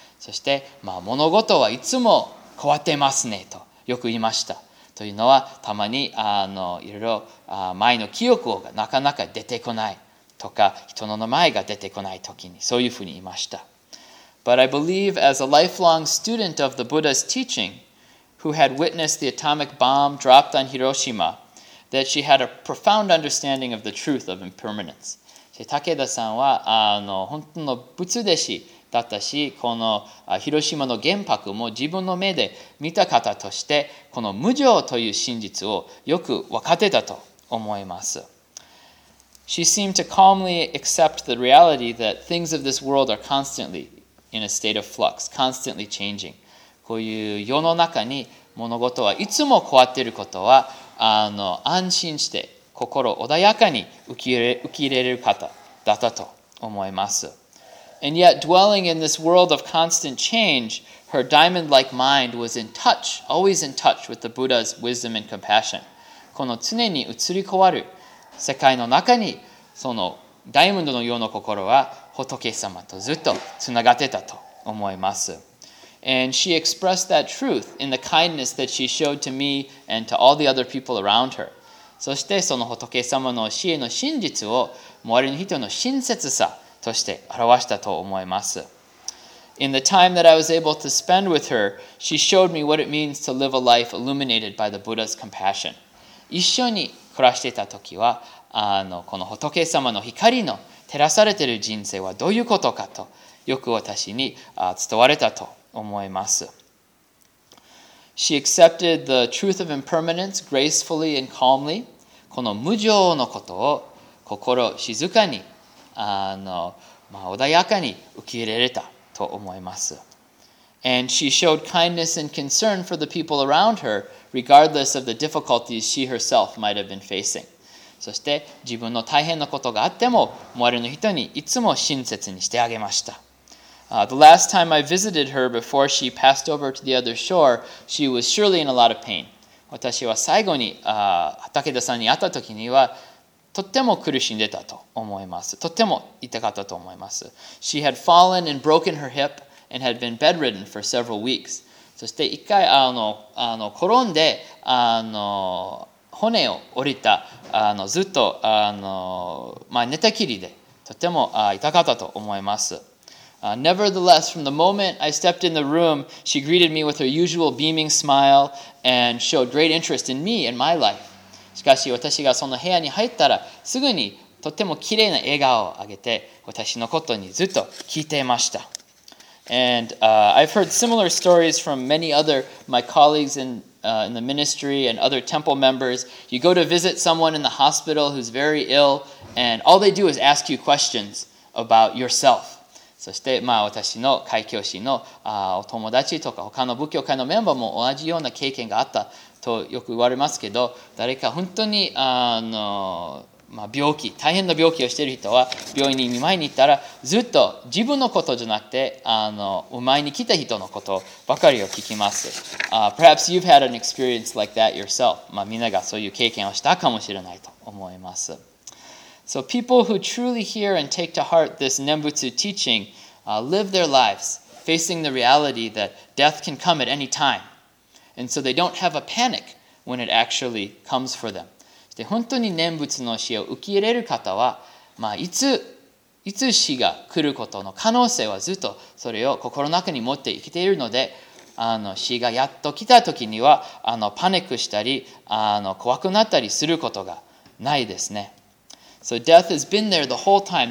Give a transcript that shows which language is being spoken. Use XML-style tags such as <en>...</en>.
<ja>そして、まあ、物事はいつも変わってますねとよく言いました。というのはたまにいろいろ前の記憶がなかなか出てこない。とか人の名前が出てこないときにそういうふうに言いました。</ja> <en>But I believe as a lifelong student of the Buddha's teaching, who had witnessed the atomic bomb dropped on Hiroshima, that she had a profound understanding of the truth of impermanence.</en> <ja>武田さんは本当の仏弟子だったし、この広島の原爆も自分の目で見た方として、この無常という真実をよく分かってたと思います。</ja> <en>She seemed to calmly accept the reality that things of this world are constantly in a state of flux, constantly changing.</en> <ja>こういう世の中に物事はいつも変わっていることは、安心して心穏やかに受け入れる方だったと思います。</ja> <en>And yet, dwelling in this world of constant change, her diamond-like mind was in touch, always in touch with the Buddha's wisdom and compassion.</en> <ja>この常に移り変わる世界の中に、そのダイモンドのような心は仏様とずっとつながってたと思います。</ja> <en>And she expressed that truth in the kindness that she showed to me and to all the other people around her.</en> <ja>そしてその仏様の教えの真実を周りの人の親切さとして表したと思います。</ja> <en>In the time that I was able to spend with her, she showed me what it means to live a life illuminated by the Buddha's compassion.</en> <ja>一緒に暮らしていた時は、この仏様の光の照らされている人生はどういうことかと、よく私に伝われたと思います。</ja> <en>She accepted the truth of impermanence gracefully and calmly.</en> <ja>この無常のことを心静かに、穏やかに受け入れれたと思います。</ja> <en>And she showed kindness and concern for the people around her, regardless of the difficulties she herself might have been facing.</en> <ja>そして自分の大変なことがあっても、周りの人にいつも親切にしてあげました。</ja> <en>The last time I visited her before she passed over to the other shore, she was surely in a lot of pain.</en> <ja>私は最後に竹田さんに会った時には、とっても苦しんでたと思います。とっても痛かったと思います。</ja> <en>She had fallen and broken her hip. And had been bedridden for several weeks.</en> <ja>そして一回転んで骨を折りたずっと寝たきりでとても痛かったと思います。</ja> <en>Nevertheless, from the moment I stepped in the room, she greeted me with her usual beaming smile and showed great interest in me and my life.</en> <ja>しかし私がその部屋に入ったらすぐにとても綺麗な笑顔をあげて私のことにずっと聞いていました。</ja> <en>And I've heard similar stories from many other my colleagues in the ministry and other temple members. You go to visit someone in the hospital who's very ill, and all they do is ask you questions about yourself.</en> <ja>そして、私の開教師のお友達とか他の仏教会のメンバーも同じような経験があったとよく言われますけど、誰か本当に病気、大変な病気をしている人は病院に見舞いに行ったらずっと自分のことじゃなくてお前に来た人のことばかりを聞きます。</ja> <en>Perhaps you've had an experience like that yourself.</en> <ja>みんながそういう経験をしたかもしれないと思います。</ja> <en>So people who truly hear and take to heart this Nembutsu teaching, live their lives facing the reality that death can come at any time. And so they don't have a panic when it actually comes for them.</en> <ja>で本当に念仏の死を受け入れる方は、いつ死が来ることの可能性はずっとそれを心の中に持って生きているので、死がやっと来た時にはパニックしたり怖くなったりすることがないですね。</ja> <en>So death has been there the whole time.</en>